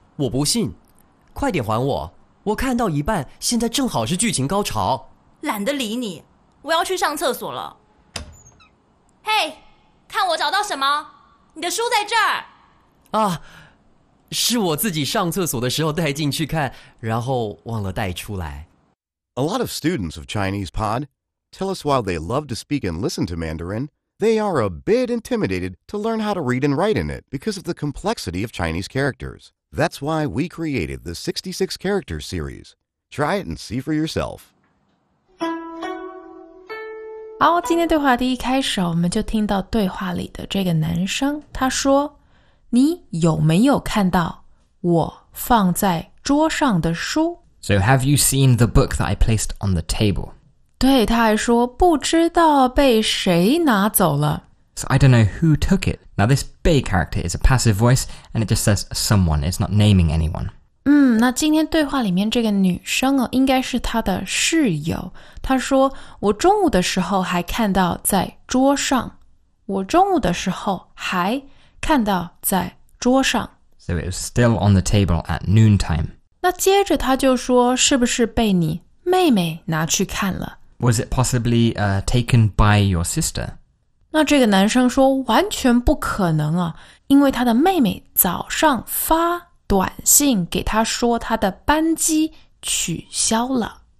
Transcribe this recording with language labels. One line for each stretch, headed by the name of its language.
Chinese: 我不信，快点还我，我看到一半，现在正好是剧情高潮。懒得理你，我要去上厕所了。嘿，看我找到什么，你的书在这儿。啊，是我自己上厕所的时候带进去看，然后忘了带出来。
English: A lot of students of Chinese Pod tell us while they love to speak and listen to Mandarin, they are a bit intimidated to learn how to read and write in it because of the complexity of Chinese characters. That's why we created the 66 characters series. Try it and see for yourself.
Chinese: 好，今天对话的一开始，我们就听到对话里的这个男生，他说，你有没有看到我放在桌上的书？
English: So have you seen the book that I placed on the table?
Chinese: 对，他还说不知道被谁拿走了。
English: So I don't know who took it. Now this "被" character is a passive voice, and it just says someone. It's not naming anyone.
Chinese: 那今天对话里面这个女生哦，应该是她的室友。她说我中午的时候还看到在桌上。我中午的时候还看到在桌上。
English: So it was still on the table at noon time.
Chinese: 那接着她就说是不是被你妹妹拿去看了。
English: Was it possibly taken by your sister?
Chinese: 那这个男生说完全不可能啊，因为他的妹妹早上发短信给他说他的班机取消了。